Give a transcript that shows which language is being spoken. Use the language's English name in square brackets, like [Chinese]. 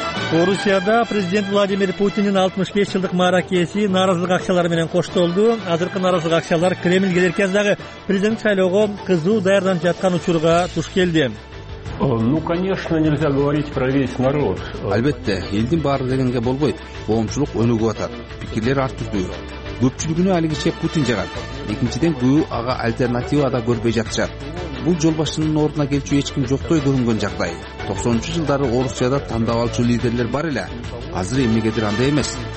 [Kyrgyz] Орусияда президент Владимир Путиндин 65 жылдык мааракеси нааразылык акчалары менен коштолду. Азыркы нааразылык акчалар Кремль келерген дагы президент шайлоого кызуу даярданып жаткан учурга туш келди. [Russian] Ну, конечно, нельзя говорить про весь народ. [Kyrgyz] Албетте, элдин баары дегенге болбойт. Коомчулук өнүгүп атат. Пикирлер ар түрдүү. Көпчүлүгүнө алигиче Путин жагат. Экинчиден күйүү ага альтернатива да көрбөй жатышат. Бул жолбашчынын ордуна келчү эч ким жоктой көрүнгөн жагдай. 90-жу жылдары Орусияда тандап алчу лидерлер бар эле. Азыр эмнегедир андай эмес.